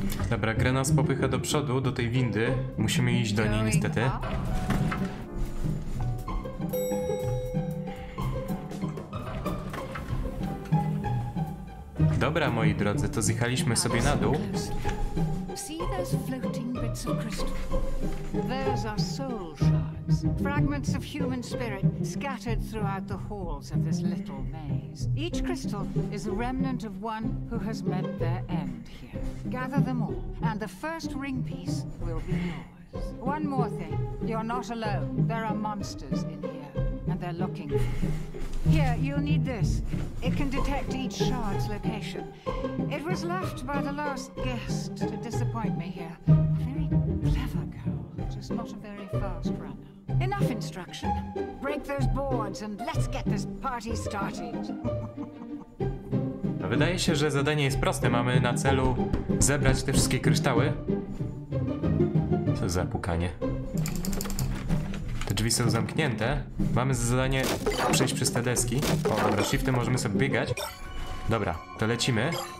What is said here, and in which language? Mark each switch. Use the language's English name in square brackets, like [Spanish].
[Polish] Dobra, gra nas popycha do przodu, do tej windy. Musimy iść do niej niestety. Dobra, moi drodzy, to zjechaliśmy sobie na dół. [English] See those floating bits of crystal? Those are soul shards. Fragments of human spirit scattered throughout the halls of this little maze. Each crystal is a remnant of one who has met their end here. Gather them all, and the first ring piece will be yours. One more thing. You're not alone. There are monsters in here, and they're looking for you. Here, you'll need this. It can detect each shard's location. It was left by the last guest to disappoint me here. A very clever girl, just not a very fast runner. Enough instruction. Break those boards and let's get this party started. [Polish] Wydaje się, że zadanie jest proste. Mamy na celu zebrać te wszystkie kryształy. Co za pukanie. Drzwi są zamknięte. Mamy za zadanie przejść przez te deski. O, dobra, shiftem możemy sobie biegać. Dobra, to lecimy.